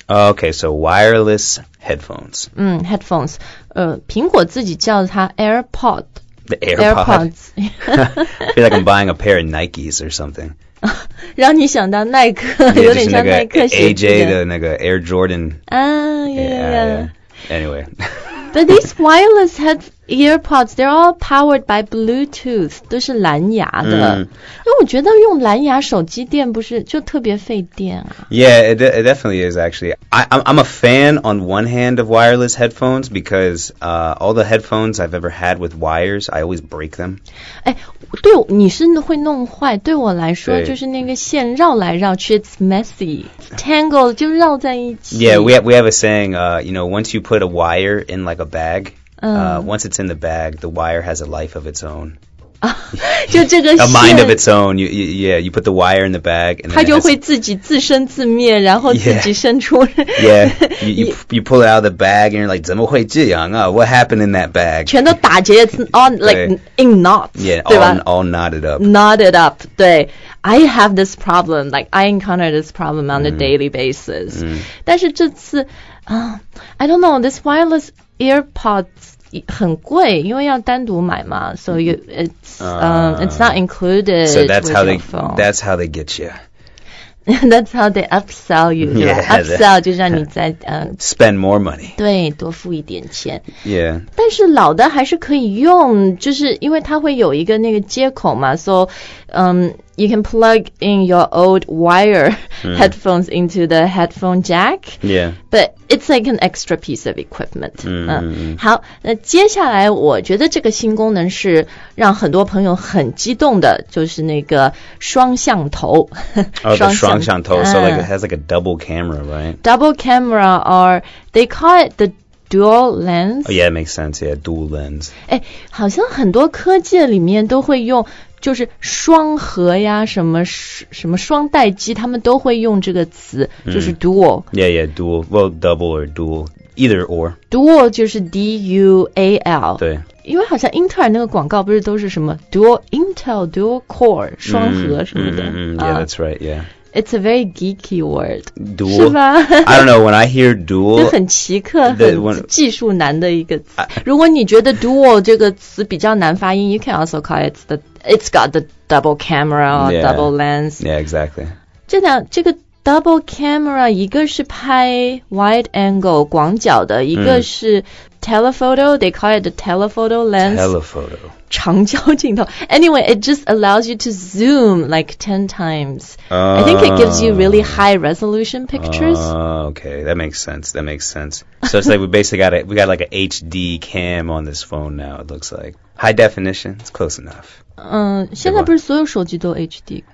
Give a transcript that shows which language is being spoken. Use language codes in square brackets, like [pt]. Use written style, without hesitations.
[en] Okay, so wireless headphones. [zh] 嗯 ，headphones， 苹果自己叫它 AirPod。 [en] The AirPods. I feel like I'm buying a pair of Nikes or something. [zh] 让你想到耐克，有点像耐克鞋。 AJ 的那个 Air Jordan. [en] 啊 yeah. Anyway. But these wireless earpods, they're all powered by Bluetooth, [zh] 都是蓝牙的。因为我觉得用蓝牙手机电不是就特别费电啊。 [en] Yeah, it definitely is, actually. I'm a fan on one hand of wireless headphones because all the headphones I've ever had with wires, I always break them. [zh] 哎，对，你是会弄坏，对我来说就是那个线绕来绕去 [en] it's messy. [zh] Tangled, 就绕在一起。 [en] Yeah, we have a saying, you know, once you put a wire in like a bag,once it's in the bag, the wire has a life of its own. [zh] 就这个 [en] a mind of its own. You put the wire in the bag. And [zh] 它就会自己自生自灭然后自己生出 [en] Yeah, you pull it out of the bag and you're like, [zh] 怎么会这样啊 [en] What happened in that bag? [zh] 全都打结 [en] It's all like in knots. Yeah, all knotted up. Knotted up, 对 I have this problem. Like, I encounter this problem on a daily basis. [zh] 但是这次 [en] I don't know, this wirelessEarpods [zh] 很贵，因为要单独买嘛 [en] ，so it's not included. So that's how they get you. That's how they upsell you. Yeah, [zh] upsell 就让你再 [en] spend more money. [zh] 对，多付一点钱。 [en] Yeah. [zh] 但是老的还是可以用，就是因为它会有一个那个接口嘛 [en] ，so You can plug in your old wire headphones into the headphone jack. Yeah. But it's like an extra piece of equipment. [zh] 好，那接下来我觉得这个新功能是让很多朋友很激动的，就是那个双向头。 [en] Oh, the 双向头 So like it has like a double camera, right? Double camera or they call it the dual lens. Oh, yeah, it makes sense. Yeah, dual lens. [zh] 哎，好像很多科技里面都会用就是双核呀什么什么双待机他们都会用这个词就是 dual [en] yeah yeah dual well double or dual either or dual 就是 dual [zh] 对因为好像英特尔那个广告不是都是什么 dual intel dual core 双核什么的 [en] yeah that's right yeah It's a very geeky word. Dual? I don't know, when I hear dual... [zh] 就很奇特,很技术难的一个词。如果你觉得 dual 这个词比较难发音, [en] you can also call it it's got the double camera or double lens. Yeah, exactly. 这个 double camera, [zh] 一个是拍 [en] wide angle, [zh] 广角的,一个是 [en] telephoto, they call it the telephoto lens. Telephoto. [zh] 长焦镜头 [en] Anyway, it just allows you to zoom like 10 times. I think it gives you really high resolution pictures. Okay, that makes sense. That makes sense. So it's like we got like an HD cam on this phone now, it looks like. High definition, it's close enough. [zh] 现在不是所有手机都 HD?